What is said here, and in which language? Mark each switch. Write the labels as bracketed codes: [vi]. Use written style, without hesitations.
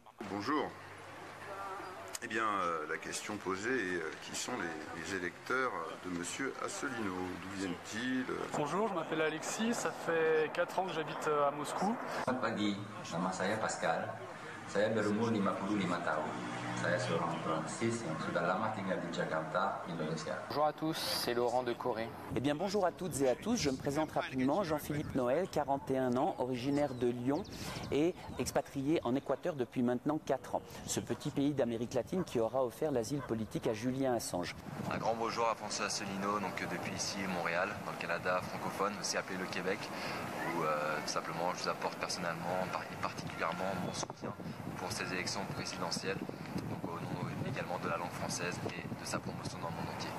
[fr] Bonjour. Eh bien, la question posée est qui sont les électeurs de M. Asselineau ? D'où viennent-ils ? Bonjour, je m'appelle Alexis, ça fait 4 ans que j'habite à Moscou. [id] Pagi, nama saya Pascal. Saya berumur 55 tahun. Saya seorang Perancis yang sudah lama tinggal di Jakarta, Indonesia. [fr] Bonjour à tous, c'est Laurent de Corée. Eh bien, bonjour à toutes et à tous, je me présente rapidement, Jean-Philippe Noël, 41 ans, originaire de Lyon et expatrié en Équateur depuis maintenant 4 ans. Ce petit pays d'Amérique latine qui aura offert l'asile politique à Julian Assange. Un grand bonjour à François Asselineau, donc depuis ici, Montréal, dans le Canada francophone, aussi appelé le Québec, où simplement je vous apporte personnellement et particulièrement mon soutien pour ces élections présidentielles, donc au nom également de la langue française et de sa promotion dans le monde entier.